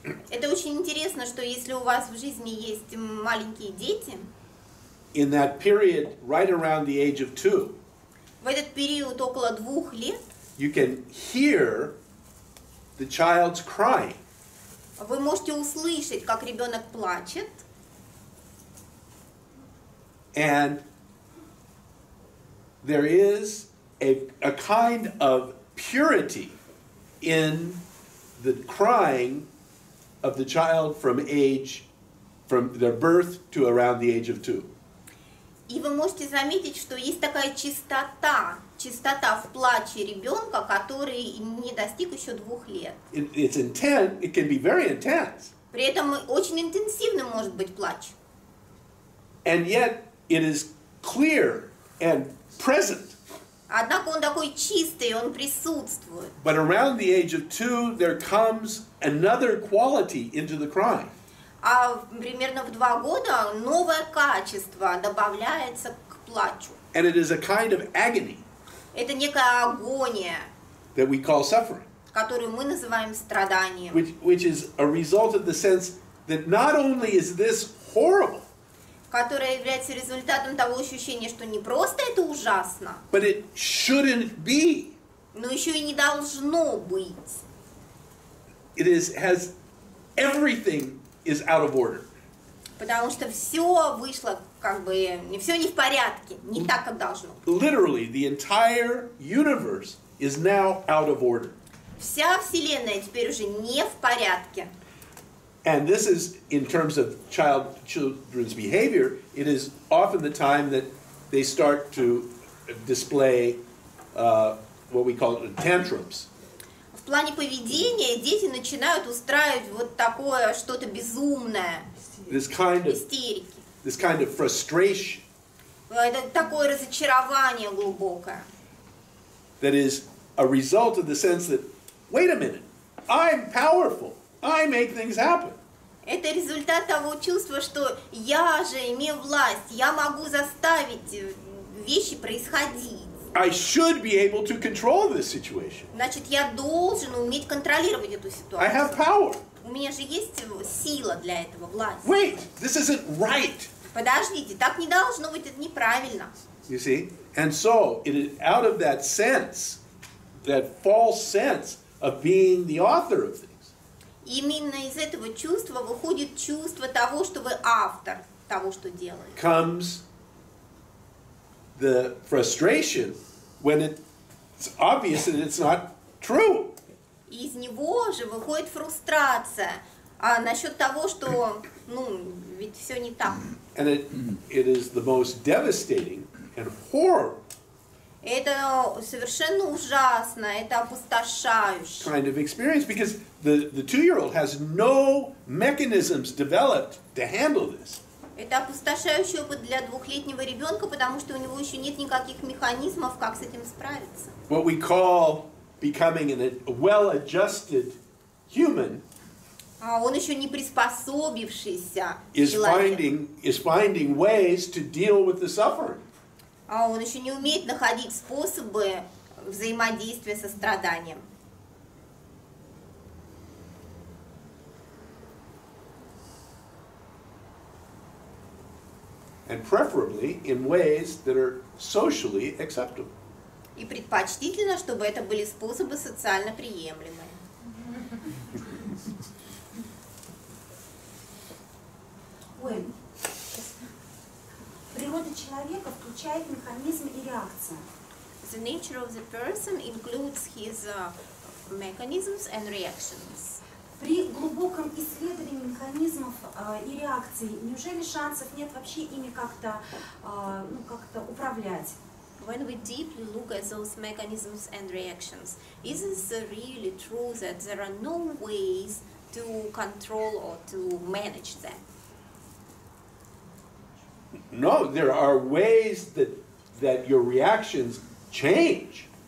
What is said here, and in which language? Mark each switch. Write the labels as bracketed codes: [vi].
[ru] это очень интересно, что если у вас в жизни есть маленькие дети, [en] in that period, right around the age of two, [ru] в этот период около двух лет, [en] you can hear the child's crying. [ru] Вы можете услышать, как ребенок плачет. [en] And there is a kind of purity in the crying of the child from their birth to around the age of two. [ru] И вы можете заметить, что есть такая чистота. Чистота в плаче ребенка, который не достиг еще двух лет. [en] It's intense. It can be very intense. [ru] При этом очень интенсивным может быть плач. [en] And yet it is clear and present. [ru] Однако он такой чистый, он присутствует. [en] But around the age of two, there comes another quality into the crying. [ru] А примерно в два года новое качество добавляется к плачу. [en] And it is a kind of agony. [ru] Это некая агония, [en] that we call suffering, [ru] которую мы называем страданием. [en] Which is a result of the sense that not only is this horrible, [ru] которая является результатом того ощущения, что не просто это ужасно, [en] but it shouldn't be. [ru] Но еще и не должно быть. [en] It is has everything is out of order. [ru] Потому что все вышло как бы не все не в порядке, не так как должно. [en] Literally, the entire universe is now out of order. [ru] Вся вселенная теперь уже не в порядке. [en] And this is in terms of children's behavior, it is often the time that they start to display what we call tantrums. [ru] В плане поведения дети начинают устраивать вот такое что-то безумное. [en] This kind of frustration. [ru] Это такое разочарование глубокое. [en] That is a result of the sense that, wait a minute, I'm powerful, I make things happen. [ru] Это результат того чувства, что я же имею власть, я могу заставить вещи происходить. [en] I should be able to control this situation. [ru] Значит, я должен уметь контролировать эту ситуацию. [en] I have power. [ru] У меня же есть сила для этого, власть. [en] Wait, this isn't right. [ru] Подождите, так не должно быть, это неправильно. [en] You see? And so, it is out of that sense, that false sense of being the author of things. [ru] Именно из этого чувства выходит чувство того, что вы автор того, что делаете. [en] Comes the frustration when it's obvious that it's not true. [ru] Из него же выходит фрустрация насчет того, что, ну, ведь все не так. [en] And it is the most devastating and horrible. [ru] Это совершенно ужасно, это опустошающе. [en] Kind of experience, because the two-year-old has no mechanisms developed to handle this. [ru] Это опустошающий опыт для двухлетнего ребенка, потому что у него еще нет никаких механизмов, как с этим справиться. [en] What we call becoming a well-adjusted human. [ru] Он еще не приспособившийся человек. [en] Is finding ways to deal with the suffering. [ru] Он еще не умеет находить способы взаимодействия со страданием. [en] And preferably in ways that are socially acceptable. [ru] И предпочтительно, чтобы это были способы социально приемлемые. Природа человека включает механизм и реакции. [en] The nature of the person includes his mechanisms and reactions. [ru] При глубоком исследовании механизмов и реакций, неужели шансов нет вообще ими как-то, ну, как-то управлять? [en] When we deeply look at those mechanisms and reactions, is it really true that there are no ways to control or to manage them? No, there are ways that your reactions change.